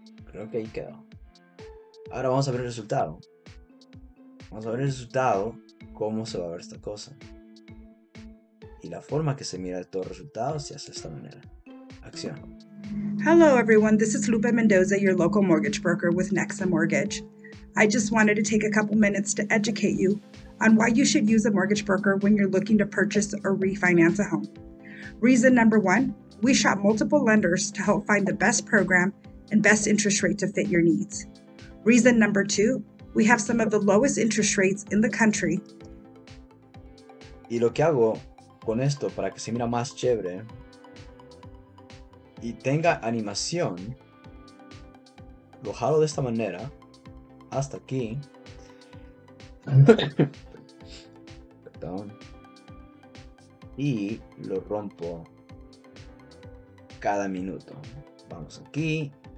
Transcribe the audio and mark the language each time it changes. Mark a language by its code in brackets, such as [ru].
[es] Creo que ahí quedó. Ahora vamos a ver el resultado. Vamos a ver el resultado. Cómo se va a ver esta cosa. Y la forma que se mira el todo resultado se hace de esta manera. Acción. [en] Hello everyone, this is Lupe Mendoza, your local mortgage broker with Nexa Mortgage. I just wanted to take a couple minutes to educate you on why you should use a mortgage broker when you're looking to purchase or refinance a home. Reason number one, we shop multiple lenders to help find the best program and best interest rate to fit your needs. Reason number two, we have some of the lowest interest rates in the country. [es] Y lo que hago con esto para que se mira más chévere y tenga animación, lo jalo de esta manera hasta aquí. Perdón. Y lo rompo cada minuto. Vamos aquí.